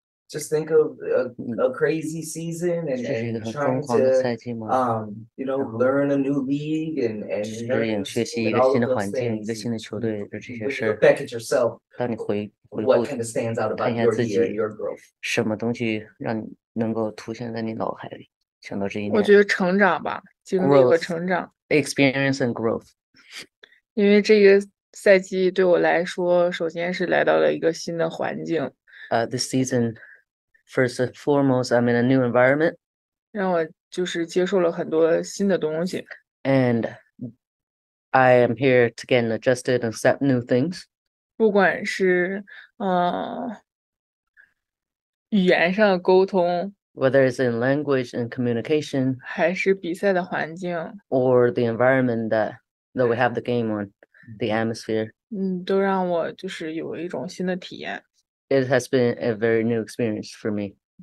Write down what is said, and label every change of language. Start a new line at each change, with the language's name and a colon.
English: Just think of a crazy season and trying to, you know, learn a new league and all of those things. When you look back at yourself, what kind of stands out about your year, your growth?
Chinese: 什么东西让你能够凸显在你脑海里？想到这一年，我觉得成长吧，经历和成长
English: ，experience and growth。
Chinese: 因为这个赛季对我来说，首先是来到了一个新的环境。
English: The season, first and foremost, I'm in a new environment.
Chinese: 让我就是接受了很多新的东西。
English: And I am here to get adjusted and accept new things.
Chinese: 不管是语言上的沟通。
English: Whether it's in language and communication.
Chinese: 还是比赛的环境。
English: Or the environment that we have the game on, the atmosphere.
Chinese: 都让我就是有一种新的体验。
English: It has been a very new experience for me.